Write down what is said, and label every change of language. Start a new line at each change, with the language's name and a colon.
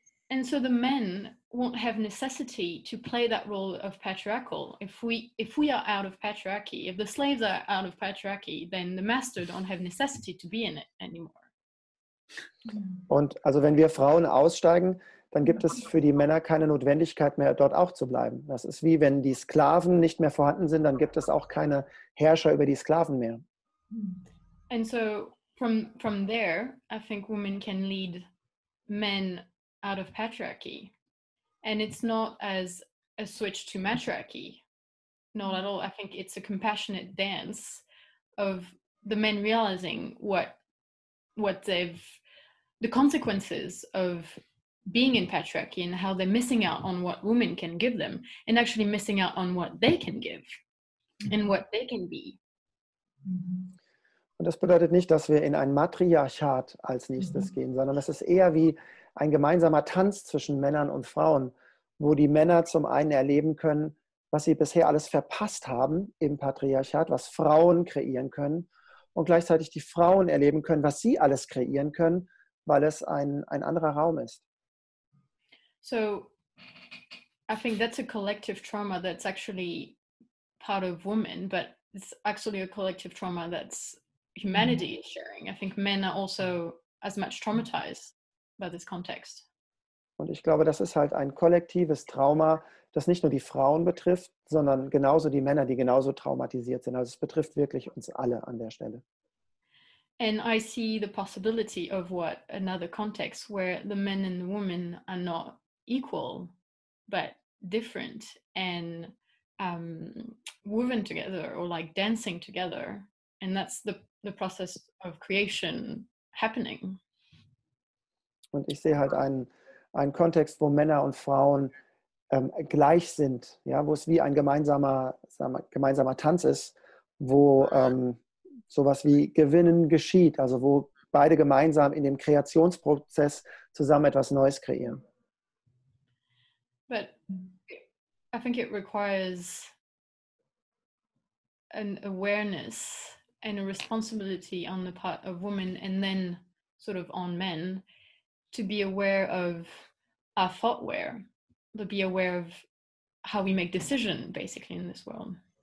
English: And so the men won't have necessity to play that role of patriarchal. If we are out of patriarchy, if the slaves are out of patriarchy, then the master don't have necessity to be in it anymore.
German: Und also wenn wir Frauen aussteigen, dann gibt es für die Männer keine Notwendigkeit mehr, dort auch zu bleiben. Das ist wie wenn die Sklaven nicht mehr vorhanden sind, dann gibt es auch keine Herrscher über die Sklaven mehr.
English: And so from there, I think women can lead men out of patriarchy. And it's not as a switch to matriarchy, not at all. I think it's a compassionate dance of the men realizing the consequences of being in patriarchy and how they're missing out on what women can give them and actually missing out on what they can give and what they can be.
German: Und das bedeutet nicht, dass wir in ein Matriarchat als nächstes gehen, sondern das ist eher wie ein gemeinsamer Tanz zwischen Männern und Frauen, wo die Männer zum einen erleben können, was sie bisher alles verpasst haben im Patriarchat, was Frauen kreieren können, und gleichzeitig die Frauen erleben können, was sie alles kreieren können, weil es ein anderer Raum ist.
English: So, I think that's a collective trauma that's actually part of women, but it's actually a collective trauma that's humanity is sharing. I think men are also as much traumatized by this context.
German: Und ich glaube, das ist halt ein kollektives Trauma, das nicht nur die Frauen betrifft, sondern genauso die Männer, die genauso traumatisiert sind. Also es betrifft wirklich uns alle an der Stelle.
English: And I see the possibility of what another context where the men and the women are not equal, but different and woven together or like dancing together. And that's the process of creation happening.
German: Und ich sehe halt einen Kontext, wo Männer und Frauen gleich sind, ja, wo es wie ein gemeinsamer Tanz ist, wo sowas wie Gewinnen geschieht, also wo beide gemeinsam in dem Kreationsprozess zusammen etwas Neues kreieren.
English: But I think it requires an awareness and a responsibility on the part of women and then sort of on men to be aware of our thoughtware, to be aware of how we make decisions basically in this world.